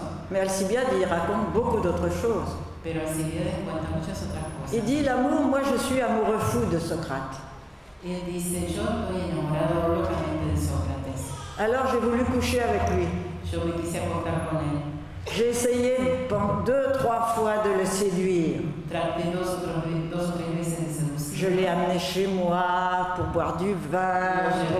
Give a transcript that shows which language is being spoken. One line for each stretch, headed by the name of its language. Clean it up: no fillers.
French: Mais Alcibiade, il raconte beaucoup d'autres choses.
Spanish: Pero Alcibiades cuenta muchas otras cosas.
French: Il dit, l'amour, moi je suis amoureux fou de Socrate.
Spanish: Y él dice, yo estoy enamorado locamente de Sócrates.
French: Alors j'ai voulu coucher avec lui.
Spanish: Yo me quise acostar con él.
French: J'ai essayé deux, trois fois de le séduire.
Spanish: Traté dos o tres veces de seducir.
French: Je l'ai amené chez moi pour boire du vin.